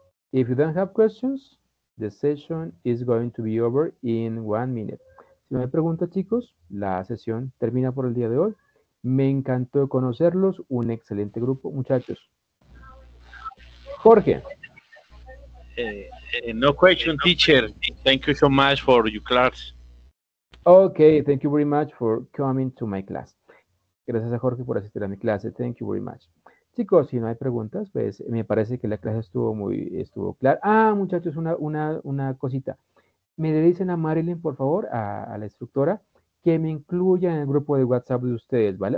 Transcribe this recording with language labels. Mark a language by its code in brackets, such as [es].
[en] If you don't have questions, the session is going to be over in 1 minute. [es] Si no hay preguntas, chicos, la sesión termina por el día de hoy. Me encantó conocerlos. Un excelente grupo, muchachos. Jorge. [en] No question, teacher. Thank you so much for your class. Ok. Thank you very much for coming to my class. [es] Gracias a Jorge por asistir a mi clase. [en] Thank you very much. [es] Chicos, si no hay preguntas, pues me parece que la clase estuvo clara. Ah, muchachos, una cosita. Me le dicen a Marilyn, por favor, a la instructora, que me incluya en el grupo de WhatsApp de ustedes, ¿vale?